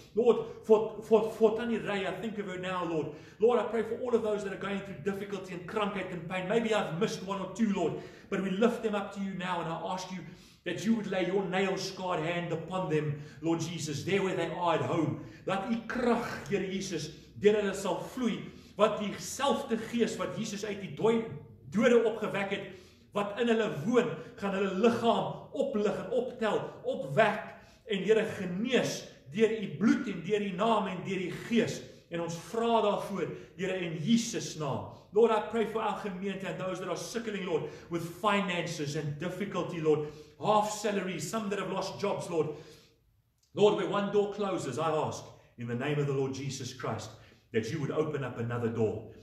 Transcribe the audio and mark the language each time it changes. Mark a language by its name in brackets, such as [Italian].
[English] Lord, for Tani Ray, I think of her now, Lord. Lord, I pray for all of those that are going through difficulty and krankheid and pain. Maybe I've missed one or two, Lord, but we lift them up to you now and I ask you that you would lay your nail-scarred hand upon them, Lord Jesus, there where they are at home. [Afrikaans] Dat die krag, Here Jesus, deur hulle sal vloei, wat die selfde gees wat Jesus uit die dode opgewek het, wat in hulle woon, gaan hulle liggaam oplig en optel, opwek, en Here genees deur die bloed en deur die naam en deur die gees. En ons vra daarvoor, Here, in Jesus' naam. [English] Lord, I pray for our gemeente and those that are sickening, Lord, with finances and difficulty, Lord. Half salaries, some that have lost jobs, Lord. Lord, where one door closes, I ask, in the name of the Lord Jesus Christ, that you would open up another door.